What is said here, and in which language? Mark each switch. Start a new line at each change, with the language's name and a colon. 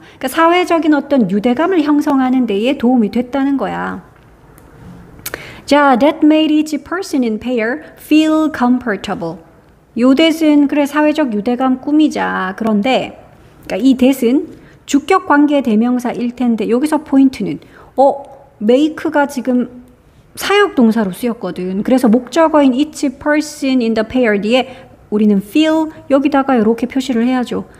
Korean: 그러니까 사회적인 어떤 유대감을 형성하는 데에 도움이 됐다는 거야.
English: 자, that made each person in pair feel comfortable.
Korean: 요 대신 그래 사회적 유대감 꾸미자. 그런데 그러니까 이 대신 주격 관계 대명사일 텐데 여기서 포인트는 make가 지금 사역 동사로 쓰였거든. 그래서 목적어인
English: each person in the pair
Korean: 뒤에 우리는 feel 여기다가 이렇게 표시를 해야죠.